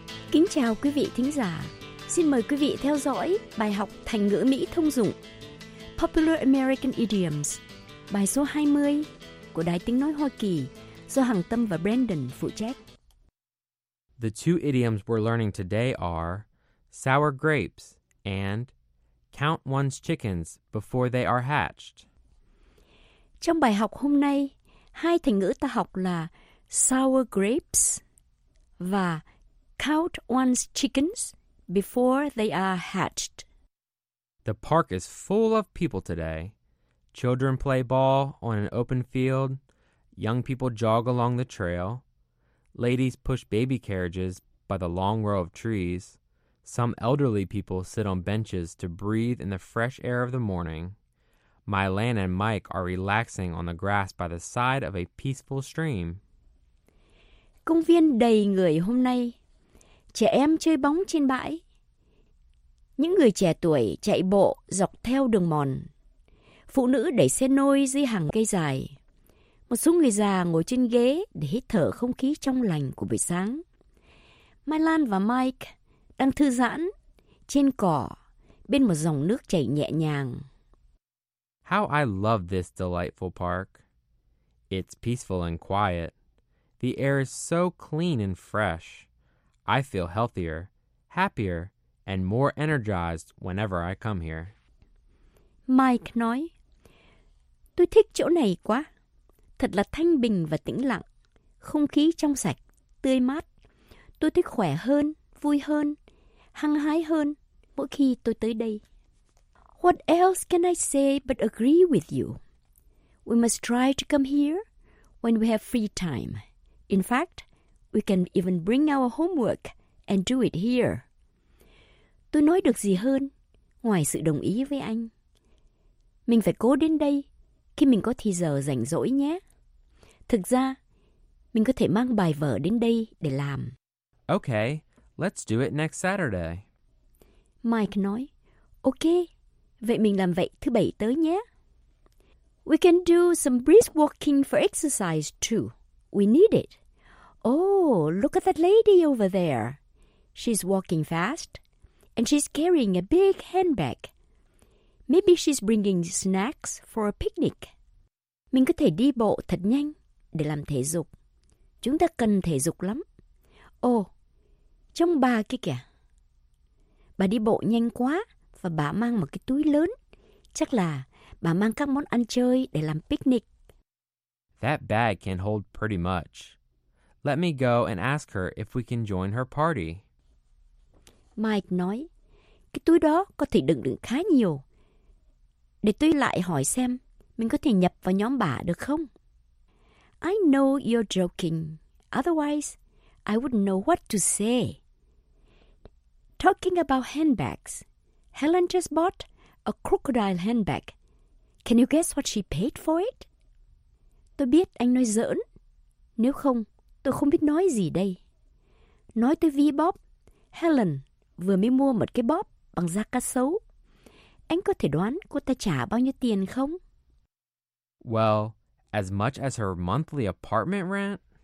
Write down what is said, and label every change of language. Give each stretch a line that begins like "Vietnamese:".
Vietnamese: Kính chào quý vị thính giả. Xin mời quý vị theo dõi bài học thành ngữ Mỹ thông dụng
English: Popular American Idioms,
Vietnamese: bài số 20 của Đài Tiếng Nói Hoa Kỳ do Hằng Tâm và Brandon phụ trách.
English: The two idioms we're learning today are sour grapes and count one's chickens before they are hatched.
Vietnamese: Trong bài học hôm nay, hai thành ngữ ta học là
English: sour grapes
Vietnamese: và
English: count one's chickens before they are hatched. The park is full of people today. Children play ball on an open field. Young people jog along the trail. Ladies push baby carriages by the long row of trees. Some elderly people sit on benches to breathe in the fresh air of the morning. Mylan and Mike are relaxing on the grass by the side of a peaceful stream.
Vietnamese: Công viên đầy người hôm nay. Trẻ em chơi bóng trên bãi. Những người trẻ tuổi chạy bộ dọc theo đường mòn. Phụ nữ đẩy xe nôi dưới hàng cây dài. Một số người già ngồi trên ghế để hít thở không khí trong lành của buổi sáng. Mylan và Mike đang thư giãn trên cỏ bên một dòng nước chảy nhẹ nhàng.
English: How I love this delightful park. It's peaceful and quiet. The air is so clean and fresh. I feel healthier, happier, and more energized whenever I come here.
Vietnamese: Mike nói, tôi thích chỗ này quá. Thật là thanh bình và tĩnh lặng. Không khí trong sạch, tươi mát. Tôi thích khỏe hơn, vui hơn, hăng hái hơn mỗi khi tôi tới đây.
English: What else can I say but agree with you? We must try to come here when we have free time. In fact, we can even bring our homework and do it here.
Vietnamese: Tôi nói được gì hơn ngoài sự đồng ý với anh? Mình phải cố đến đây khi mình có thì giờ rảnh rỗi nhé. Thực ra, mình có thể mang bài vở đến đây để làm.
English: Okay, let's do it next Saturday.
Vietnamese: Mike nói, okay, vậy mình làm vậy thứ bảy tới nhé.
English: We can do some brisk walking for exercise too. We need it. Oh, look at that lady over there. She's walking fast, and she's carrying a big handbag. Maybe she's bringing snacks for a picnic.
Vietnamese: Mình có thể đi bộ thật nhanh để làm thể dục. Chúng ta cần thể dục lắm. Oh, trông bà kia kìa. Bà đi bộ nhanh quá và bà mang một cái túi lớn. Chắc là bà mang các món ăn chơi để làm picnic.
English: That bag can hold pretty much. Let me go and ask her if we can join her party.
Vietnamese: Mike nói, cái túi đó có thể đựng được khá nhiều. Để tôi lại hỏi xem mình có thể nhập vào nhóm bà được không?
English: I know you're joking. Otherwise, I wouldn't know what to say. Talking about handbags, Helen just bought a crocodile handbag. Can you guess what she paid for it?
Vietnamese: Tôi biết anh nói giỡn. Nếu không, tôi không biết nói gì đây. Nói tới ví bóp, Helen vừa mới mua một cái bóp bằng da cá sấu. Anh có thể đoán cô ta trả bao nhiêu tiền không?
English: Well, as much as her monthly apartment rent.